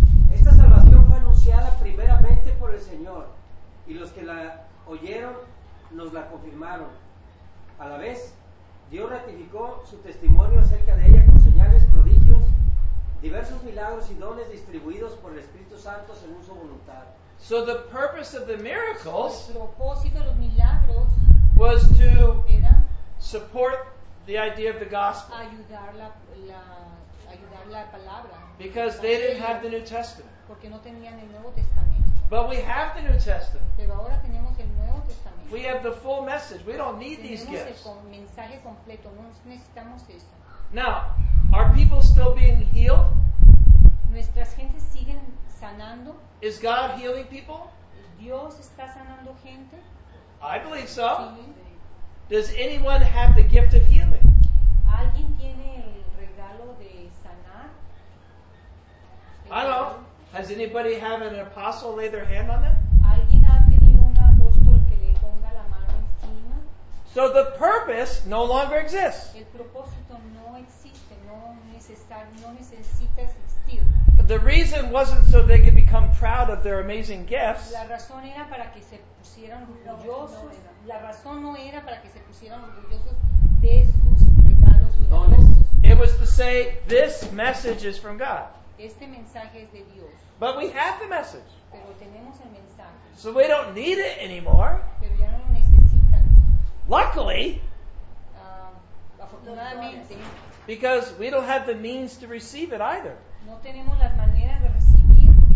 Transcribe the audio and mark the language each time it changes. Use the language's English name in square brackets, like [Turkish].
[Spanish] Esta salvación fue anunciada primeramente por el Señor, y los que la oyeron nos la confirmaron. A la vez, Dios ratificó su testimonio acerca de ella con señales, prodigios, diversos milagros y dones distribuidos por el Espíritu Santo según su voluntad. [English] So the purpose of the miracles, [Spanish] el propósito de los milagros, [English] was to support the idea of the gospel. [Spanish] Ayudar la ayudar la palabra. [English] Because they didn't have the New Testament. [Spanish] Porque no tenían el Nuevo Testamento. [English] But we have the New Testament. [Spanish] Pero ahora tenemos el Nuevo Testamento. [English] We have the full message. We don't need [Spanish] tenemos [English] these gifts. [Spanish] El mensaje completo. No necesitamos eso. [English] Now, are people still being healed? [Spanish] Nuestras gentes siguen sanando. [English] Is God healing people? [Spanish] Dios está sanando gente. [English] I believe so. Sí. Does anyone have the gift of healing? [Spanish] ¿Alguien tiene el regalo de sanar? [English] I don't know. Has anybody have an apostle lay their hand on them? [Spanish] ¿Alguien ha tenido un apóstol que le ponga la mano encima? [English] So the purpose no longer exists. [Spanish] El propósito no existe, no necesita existir. [English] The reason wasn't so they could become proud of their amazing gifts. [Spanish] La razón era para que se pusieran orgullosos. La razón no era para que se pusieran orgullosos de sus regalos dones. [English] It was to say, this message is from God. [Spanish] Este mensaje es de Dios. [English] But we have the message. [Spanish] Pero tenemos el mensaje. [English] So we don't need it anymore. [Spanish] Pero ya no lo necesitan. [English] Luckily, [Spanish] afortunadamente, [English] because we don't have the means to receive it either. [Spanish] No tenemos las maneras de recibir.